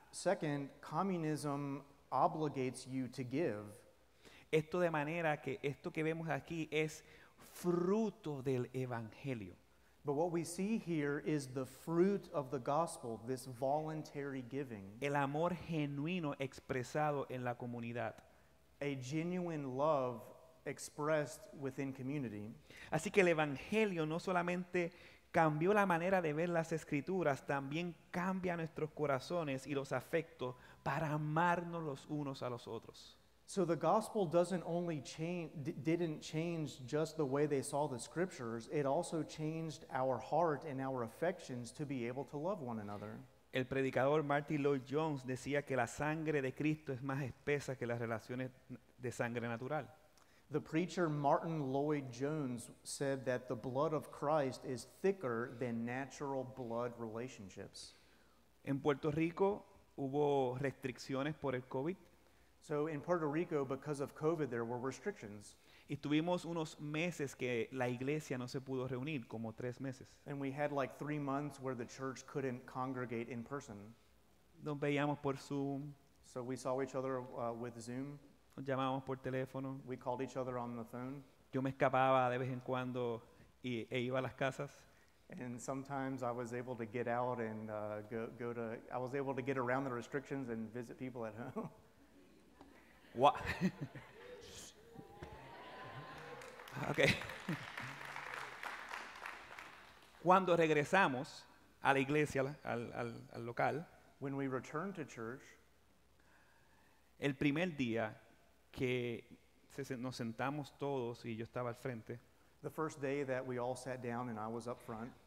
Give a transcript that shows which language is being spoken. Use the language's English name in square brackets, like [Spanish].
[English] Second, communism obligates you to give. [Spanish] Esto de manera que esto que vemos aquí es fruto del evangelio. [English] But what we see here is the fruit of the gospel, this voluntary giving. [Spanish] El amor genuino expresado en la comunidad. [English] A genuine love expressed within community. [Spanish] Así que el evangelio no solamente cambió la manera de ver las escrituras, también cambia nuestros corazones y los afectos para amarnos los unos a los otros. [English] So the gospel doesn't only didn't change just the way they saw the scriptures, it also changed our heart and our affections to be able to love one another. [Spanish] El predicador Martin Lloyd-Jones decía que la sangre de Cristo es más espesa que las relaciones de sangre natural. [English] The preacher Martin Lloyd-Jones said that the blood of Christ is thicker than natural blood relationships. [Spanish] En Puerto Rico hubo restricciones por el COVID. [English] So in Puerto Rico, because of COVID, there were restrictions. [Spanish] Y tuvimos unos meses que la iglesia no se pudo reunir, como tres meses. [English] And we had like 3 months where the church couldn't congregate in person. [Spanish] Nos veíamos por Zoom. [English] So we saw each other with Zoom. [Spanish] Nos llamábamos por teléfono. [English] We called each other on the phone. [Spanish] Yo me escapaba de vez en cuando y, e iba a las casas. [English] And sometimes I was able to get out and I was able to get around the restrictions and visit people at home. What? Okay. [Spanish] Cuando regresamos a la iglesia, al local. [English] When we returned to church. [Spanish] El primer día que nos sentamos todos y yo estaba al frente. [English] The first day that we all sat down and I was up front.